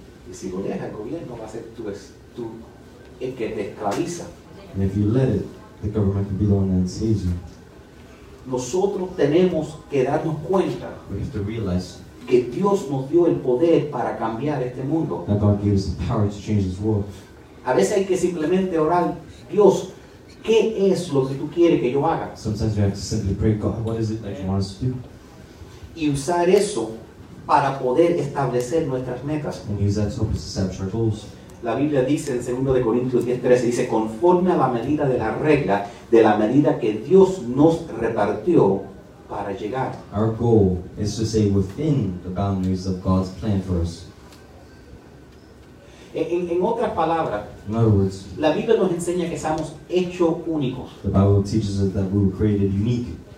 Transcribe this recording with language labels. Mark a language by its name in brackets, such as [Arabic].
[Spanish] Y si lo dejas, el gobierno va a ser tú el que te esclaviza. [English] And if you let it, the government can be the one that saves you. [Spanish] Nosotros tenemos que darnos cuenta. [English] We have to realize [Spanish] que Dios nos dio el poder para cambiar este mundo. [English] That God gave us the power to change this world. [Spanish] A veces hay que simplemente orar, Dios, ¿qué es lo que tú quieres que yo haga? [English] Sometimes you have to simply pray, God, what is it that you want us to do? [Spanish] Y usar eso para poder establecer nuestras metas. [English] And use that to help us establish our goals. [Spanish] La Biblia dice en 2 Corintios 10:13, dice, conforme a la medida de la regla, de la medida que Dios nos repartió para llegar. [English] Our goal is to stay within the boundaries of God's plan for us. [Spanish] En otras palabras, [English] in other words, [Spanish] la Biblia nos enseña que somos hechos únicos. [English] The Bible teaches us that we were created unique.